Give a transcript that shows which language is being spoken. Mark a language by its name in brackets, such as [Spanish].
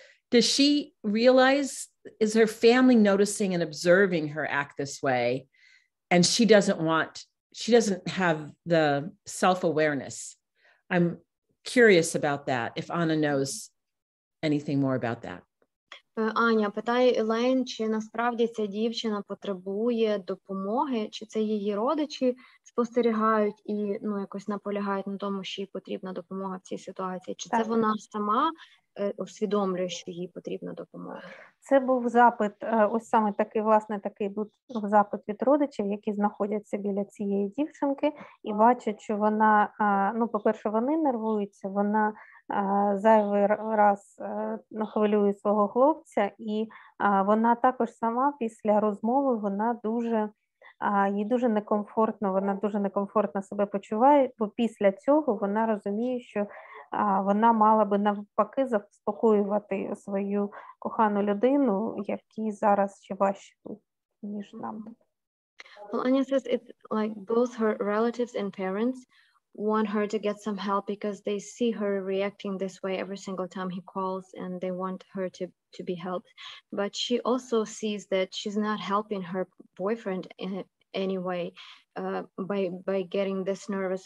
[English] Does she realize, is her family noticing and observing her act this way, and she doesn't want, she doesn't have the self-awareness? I'm curious about that, if Anna knows anything more about that. [Ukrainian] Аня питає Елен, чи насправді ця дівчина потребує допомоги, чи це її родичі спостерігають і, ну, якось наполягають на тому, що їй потрібна допомога в цій ситуації, чи так, це вона сама усвідомлює, що їй потрібна допомога? Це був запит, ось саме такий, власне, такий був запит від родичів, які знаходяться біля цієї дівчинки і бачать, що вона, ну, по-перше, вони нервуються, вона зайвий раз хвилює свого хлопця, і вона також сама після розмови, вона дуже, їй дуже некомфортно, вона дуже некомфортно себе почуває, бо після цього вона розуміє, що вона мала би навпаки заспокоювати свою кохану людину, якій зараз ще важче, ніж нам. [English] Well, Anya says it's like both her relatives and parents want her to get some help because they see her reacting this way every single time he calls, and they want her to be helped. But she also sees that she's not helping her boyfriend in any way by getting this nervous.